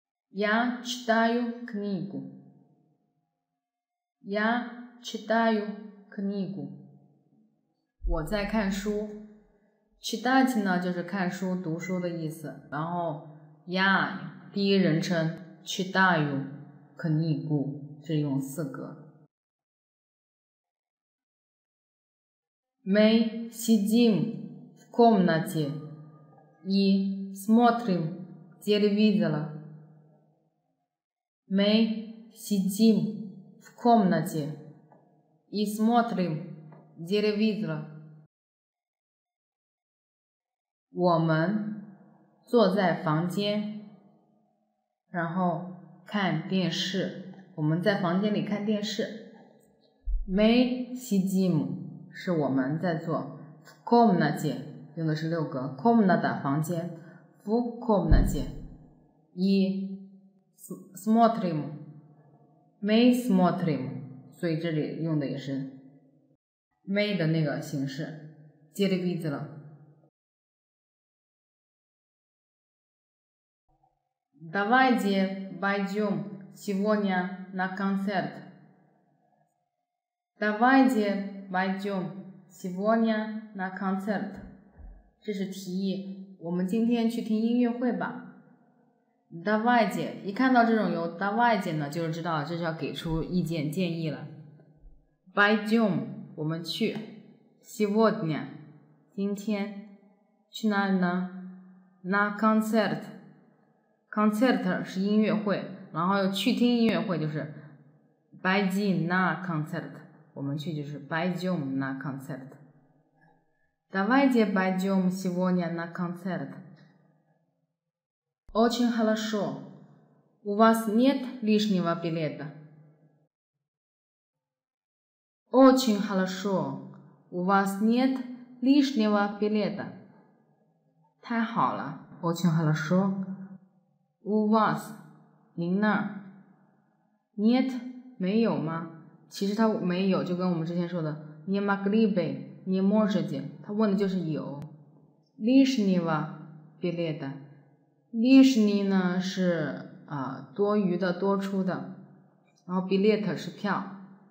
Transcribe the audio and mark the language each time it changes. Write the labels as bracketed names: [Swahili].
[Russian] Я читаю книгу. Я читаю книгу. [Chinese] 我在看书。 Читать 呢，就是看书、读书的意思。然后я第一人称 [Russian] читаю книгу [Chinese] 是用四格。 [Russian] Мы сидим в комнате и смотрим телевизор. Мы сидим в комнате и смотрим телевизор. [Chinese] 我们坐在房间然后看电视，我们在房间里看电视。 [Russian] Мы сидим [Chinese] 是我们在做 в комнате 用的是六格 комната 房间 [Russian] в комнате и смотрим мы смотрим [Chinese] 所以这里用的也是 мы 的那个形式 телевизор。 [Russian] Давайте пойдем сегодня на концерт. Давайте пойдем сегодня на концерт. [Chinese] 这是提议，我们今天去听音乐会吧。 Давайте 一看到这种有 Давайте 呢，就是知道这是要给出意见建议了。 Пойдем 我们去 сегодня 今天去哪里呢？ На концерт。 Concert 是音乐会，然后去听音乐会就是 [Russian] пойдем на концерт， [Chinese] 我们去就是 пойдем на концерт。 [Russian] Давайте пойдем сегодня на концерт。 Очень хорошо。 У вас нет лишнего билета。 Очень хорошо。 У вас нет лишнего билета。 [Chinese] 太好了。 [Russian] Очень хорошо。 У вас, [Chinese] 您那儿 [Russian] ？Нет, [Chinese] 没有吗？其实他没有，就跟我们之前说的 ， [Russian] не могли бы, не можете, [Chinese] 他问的就是有。 [Russian] Лишнего билета, [Chinese] лишний 呢是多余的、多出的，然后 билет 是票。